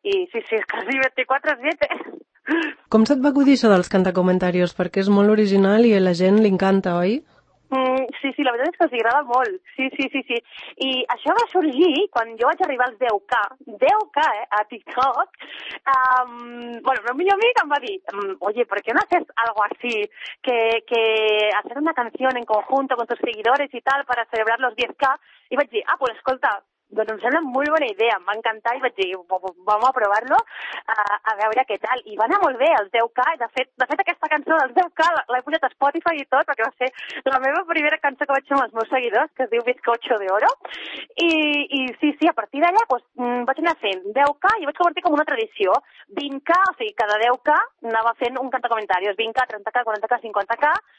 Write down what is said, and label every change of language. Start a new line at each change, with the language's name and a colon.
Catalan: I sí, sí, és quasi 24/7. Com se't va acudir això dels cantacomentaris? Perquè és molt original i a la gent li encanta, oi? Sí, sí, la veritat és que els agrada molt. Sí, sí, sí, sí. I això va sorgir quan jo vaig arribar als 10K, a TikTok. Bueno, el meu millor amic em va dir,
Spanish: oye, ¿por qué no haces algo así? Que hacer una canción en conjunto con tus seguidores y tal para celebrar los 10K.
Catalan: I vaig dir, ah, pues escolta, doncs em sembla molt bona idea, em va encantar i vaig dir, vamos a provar-lo a veure què tal, i va anar molt bé els 10K, de fet aquesta cançó dels 10K l'he pujat a Spotify i tot perquè va ser la meva primera cançó que vaig fer amb els meus seguidors, que es diu Bizcocho de Oro i sí, sí, a partir d'allà pues, vaig anar fent 10K i vaig convertir com una tradició, 20K, o sigui, cada 10K anava fent un cantacomentaris, 20K, 30K, 40K, 50K.